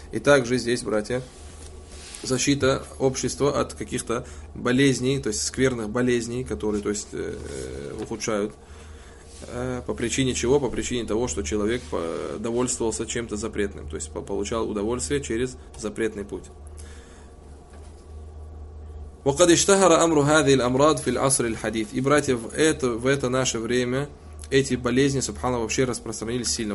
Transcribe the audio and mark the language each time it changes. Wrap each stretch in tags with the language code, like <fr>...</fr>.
<ru>И также здесь, братья, защита общества от каких-то болезней, то есть, скверных болезней, которые, то есть, ухудшают. По причине чего? По причине того, что человек довольствовался чем-то запретным, то есть получал удовольствие через запретный путь.</ru> <ar>وقد اشتهر امر هذه الامراض في العصر الحديث.</ar> <ru>И, братья, в это наше время эти болезни, субхана, вообще распространились сильно.</ru>